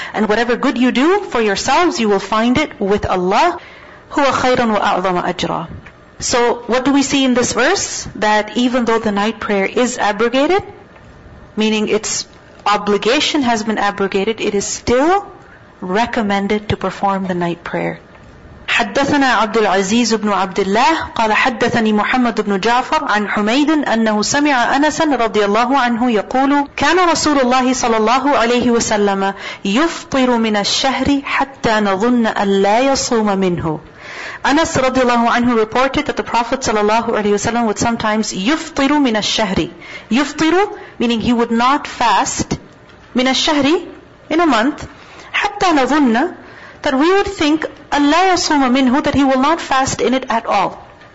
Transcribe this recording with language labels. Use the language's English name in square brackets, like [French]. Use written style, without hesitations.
[English] And whatever good you do for yourselves, you will find it with Allah. [Arabic] هُوَ خَيْرٌ وَأَعْظَمَ أَجْرًا. [English] So what do we see in this verse? That even though the night prayer is abrogated, meaning its obligation has been abrogated, it is still recommended to perform the night prayer. [Arabic] حدثنا عبد العزيز بن عبد الله قال حدثني محمد بن جعفر عن حميد أنه سمع أنسا رضي الله عنه يقول كان رسول الله صلى الله عليه وسلم يفطر من الشهر حتى نظن أن لا يصوم منه. [English] Anas radiallahu anhu reported that the Prophet sallallahu alayhi wasallam would sometimes [Arabic] yuftiru min ash-shahri. [English] Yuftiru meaning he would not fast [Arabic] min ash-shahri [English] in a month [Arabic] hatta nadhunna, [English] that we would think [Arabic] Allah yasuma minhu, [English] that he will not fast in it at all.